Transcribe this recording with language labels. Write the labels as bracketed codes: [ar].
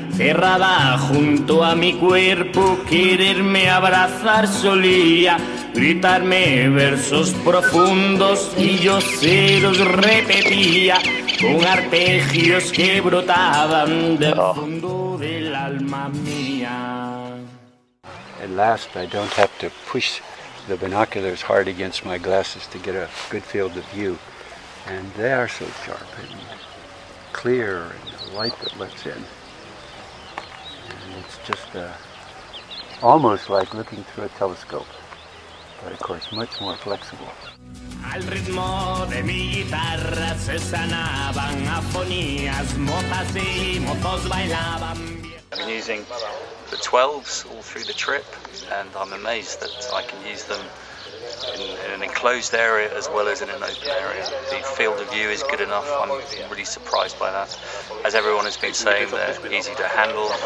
[es] Cerrada junto a mi cuerpo, quererme abrazar solía. Gritarme versos profundos y yo se los repetía. Con arpegios que brotaban del fondo del alma mía. [en] At last I don't have to push the binoculars hard against my glasses to get a good field of view. And they are so sharp and clear, and the light that lets in. And it's just almost like looking through a telescope, but of course much more flexible. [es] Al ritmo de mi guitarra se sanaban afonías, motas y motos bailaban. [en] I've been using the 12s all through the trip, and I'm amazed that I can use them in an enclosed area as well as in an open area. The field of view is good enough. I'm really surprised by that. As everyone has been saying, they're easy to handle.